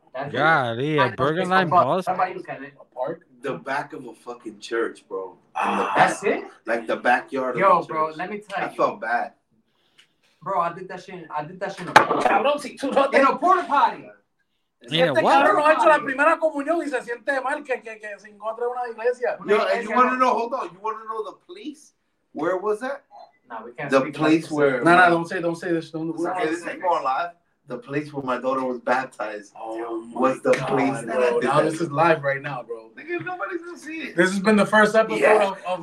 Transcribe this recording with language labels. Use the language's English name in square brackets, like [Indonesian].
[English] Golly, a Burgerline bus. A park? The back of a fucking church, bro. That's it? Like the backyard. Yo, of a church. Bro, let me tell you. I felt bad. Bro, I did that shit in a porta potty. Yeah, what? [Spanish] La primera comunión y se siente mal que se encuentra una iglesia. [English] Yo, and you want to know? Hold on. You want to know the place? Where was that? Nah, we can't. The place where? No, don't say this. Don't. Okay, this ain't going live. The place where my daughter was baptized was the place that I did that. Now this is live right now, bro. Nobody's gonna see it. This has been the first episode of